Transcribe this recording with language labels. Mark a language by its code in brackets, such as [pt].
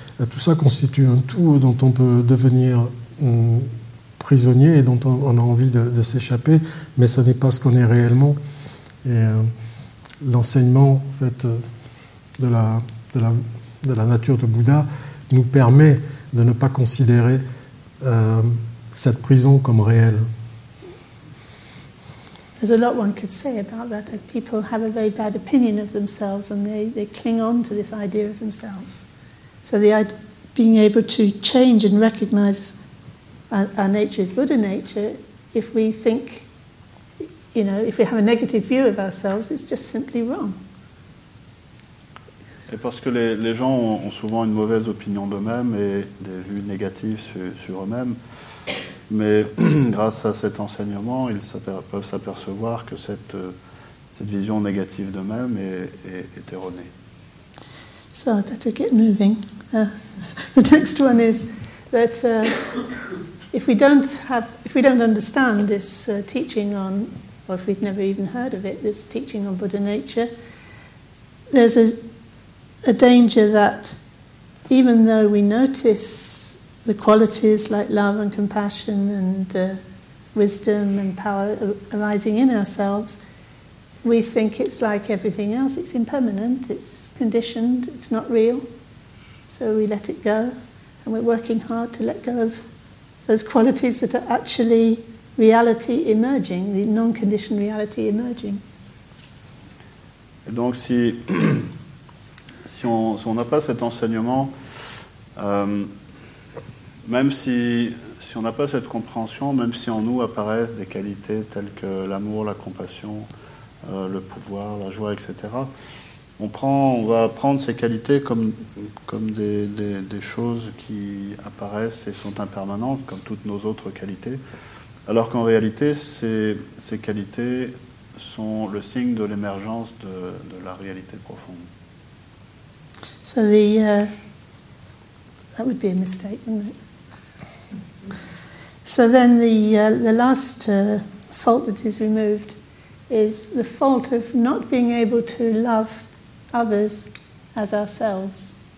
[fr] Tout ça constitue un tout dont on peut devenir prisonnier et dont on a envie de s'échapper, mais ce n'est pas ce qu'on est réellement. Et l'enseignement, en fait, de la nature de Bouddha nous permet de ne pas considérer cette prison comme réelle. [en] There's a lot one could say about that. People have a very bad opinion of themselves, and they cling on to this idea of themselves. So the being able to change and recognize our nature as Buddha nature, if we think, you know, if we have a negative view of ourselves, it's just simply wrong. [fr] Et parce que les gens ont souvent une mauvaise opinion d'eux-mêmes et des vues négatives sur eux-mêmes. Mais grâce à cet enseignement, ils peuvent s'apercevoir que cette vision négative d'eux-mêmes est erronée. [en] So I better get moving. The next one is that if we don't understand this teaching on, or if we've never even heard of it, this teaching on Buddha nature, there's a danger that even though we notice the qualities like love and compassion and wisdom and power arising in ourselves, we think it's like everything else. It's impermanent, it's conditioned, it's not real. So we let it go, and we're working hard to let go of those qualities that are actually reality emerging, the non-conditioned reality emerging. [fr] Et donc si on n'a pas cet enseignement, même si on n'a pas cette compréhension, même si en nous apparaissent des qualités telles que l'amour, la compassion, le pouvoir, la joie, etc., on va prendre ces qualités comme des choses qui apparaissent et sont impermanentes, comme toutes nos autres qualités, alors qu'en réalité, ces qualités sont le signe de l'émergence de la réalité profonde. [en] So that would be a mistake, wouldn't it? So then the last fault that is removed is the fault of not being able to love others as ourselves.